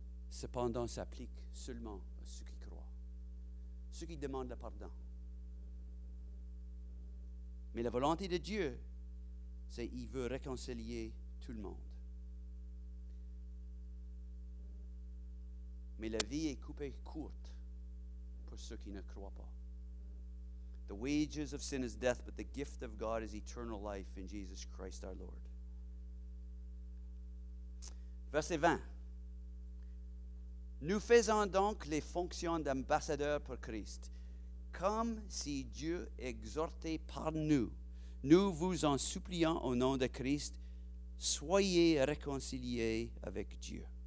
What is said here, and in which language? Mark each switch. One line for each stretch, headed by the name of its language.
French: Cependant, ça s'applique seulement à ceux qui croient, ceux qui demandent le pardon. Mais la volonté de Dieu, c'est qu'il veut réconcilier tout le monde. Mais la vie est coupée courte pour ceux qui ne croient pas.
English: The wages of sin is death, but the gift of God is eternal life in Jesus Christ our Lord.
French: Verset 20. Nous faisons donc les fonctions d'ambassadeur pour Christ, comme si Dieu exhortait par nous. Nous vous en supplions au nom de Christ, soyez réconciliés avec Dieu.